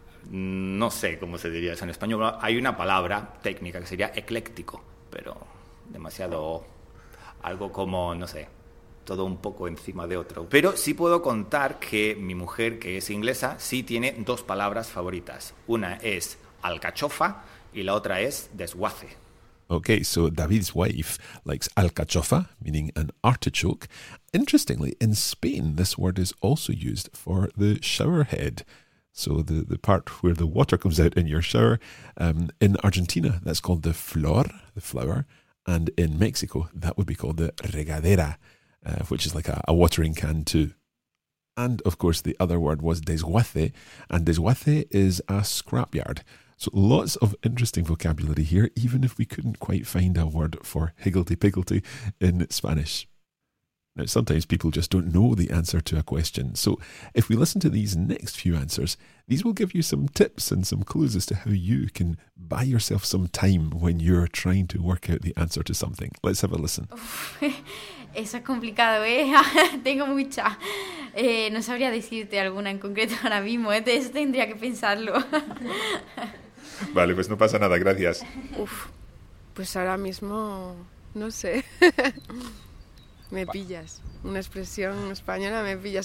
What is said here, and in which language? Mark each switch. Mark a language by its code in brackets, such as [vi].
[es] No sé cómo se diría eso en español. Hay una palabra técnica que sería ecléctico, pero demasiado algo como, no sé, todo un poco encima de otro. Pero sí puedo contar que mi mujer, que es inglesa, sí tiene dos palabras favoritas. Una es alcachofa y la otra es desguace. [en] Okay, so David's wife likes alcachofa, meaning an artichoke. Interestingly, in Spain, this word is also used for the shower head. So the part where the water comes out in your shower. In Argentina, that's called the flor, the flower. And in Mexico, that would be called the regadera, which is like a watering can too. And of course, the other word was desguace. And desguace is a scrapyard. So lots of interesting vocabulary here, even if we couldn't quite find a word for higgledy-piggledy in Spanish. Now, sometimes people just don't know the answer to a question. So if we listen to these next few answers, these will give you some tips and some clues as to how you can buy yourself some time when you're trying to work out the answer to something. Let's have a listen. [es] Eso es complicado, ¿eh? Tengo muchas. No sabría decirte alguna en concreto ahora mismo, ¿eh? Eso tendría que pensarlo. Vale, pues no pasa nada, gracias. Uf, pues ahora mismo, no sé. Me pillas. Una expresión española, me pillas.